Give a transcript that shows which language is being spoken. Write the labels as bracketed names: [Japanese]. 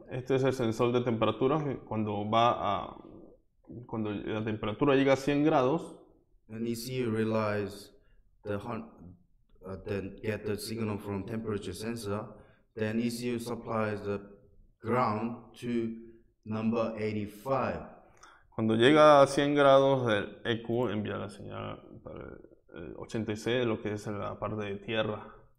[Spanish] Este es el sensor de temperatura que cuando va a cuando la temperatura llega a 100 grados. [English] And you see, you realize the then get the signal from temperature sensor. Then ECU supplies the ground to number 85. [Spanish] Cuando llega a 100 grados, el EQ envía la señal para el 86, lo que es en la parte de tierra.